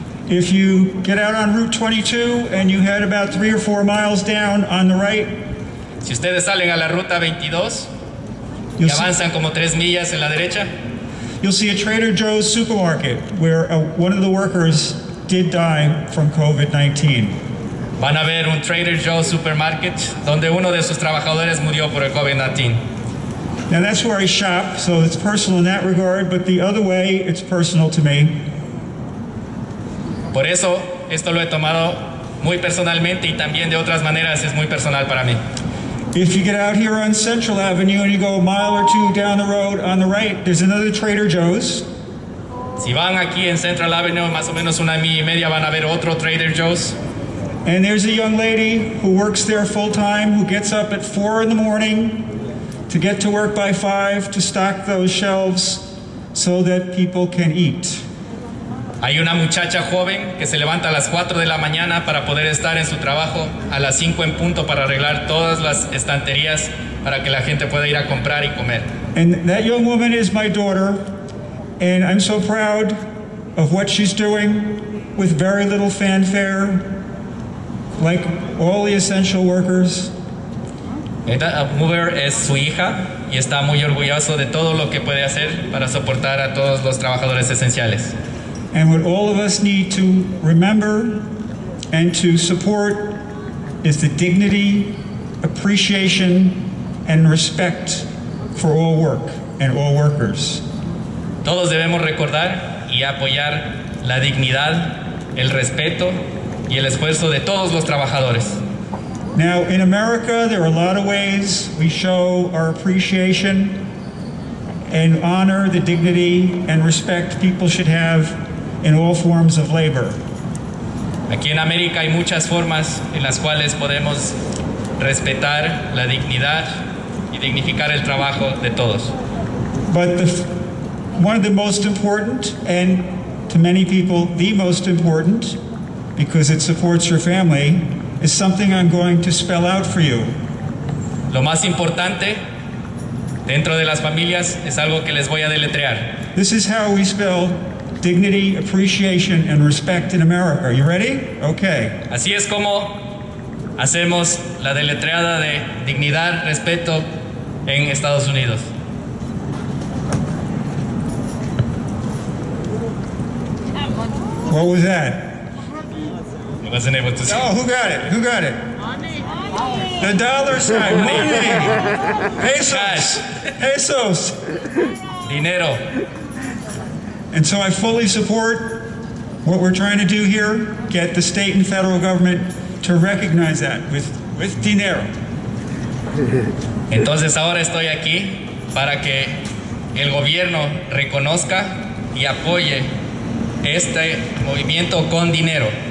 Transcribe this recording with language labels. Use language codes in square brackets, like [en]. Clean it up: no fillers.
[en] If you get out on Route 22 and you head about 3 or 4 miles down on the right, [es] si ustedes salen a la ruta 22 y avanzan como 3 millas en la derecha, [en] you'll see a Trader Joe's supermarket where one of the workers did die from COVID-19. [es] Van a ver un Trader Joe's supermarket donde uno de sus trabajadores murió por el COVID-19. [en] Now that's where I shop, so it's personal in that regard, but the other way, it's personal to me. [es] Por eso, esto lo he tomado muy personalmente y también de otras maneras es muy personal para mí. [en] If you get out here on Central Avenue and you go a mile or two down the road on the right, there's another Trader Joe's. [es] Si van aquí en Central Avenue, más o menos una milla y media, van a ver otro Trader Joe's. [en] And there's a young lady who works there full time, who gets up at 4 in the morning, to get to work by 5 to stock those shelves so that people can eat. [es] Hay una muchacha joven que se levanta a las 4 de la mañana para poder estar en su trabajo a las 5 en punto para arreglar todas las estanterías para que la gente pueda ir a comprar y comer. [en] And that young woman is my daughter, and I'm so proud of what she's doing with very little fanfare, like all the essential workers. [es] Esta mujer es su hija y está muy orgulloso de todo lo que puede hacer para soportar a todos los trabajadores esenciales. [en] And what all of us need to remember and to support is the dignity, appreciation, and respect for all work and all workers. [es] Todos debemos recordar y apoyar la dignidad, el respeto, y el esfuerzo de todos los trabajadores. [en] Now, in America, there are a lot of ways we show our appreciation and honor the dignity and respect people should have in all forms of labor. [es] Aquí en América hay muchas formas en las cuales podemos respetar la dignidad y dignificar el trabajo de todos. [en] But one of the most important, and to many people, the most important, because it supports your family, is something I'm going to spell out for you. [es] Lo más importante dentro de las familias es algo que les voy a deletrear. [en] This is how we spell dignity, appreciation, and respect in America. Are you ready? Okay. [es] Así es como hacemos la deletreada de dignidad, respeto en Estados Unidos. [en] What was that? Wasn't able to see. Oh, who got it? Who got it? Money. The dollar sign. Money. Pesos. [es] Pesos. Dinero. [en] And so I fully support what we're trying to do here, get the state and federal government to recognize that with dinero. [es] Entonces ahora estoy aquí para que el gobierno reconozca y apoye este movimiento con dinero.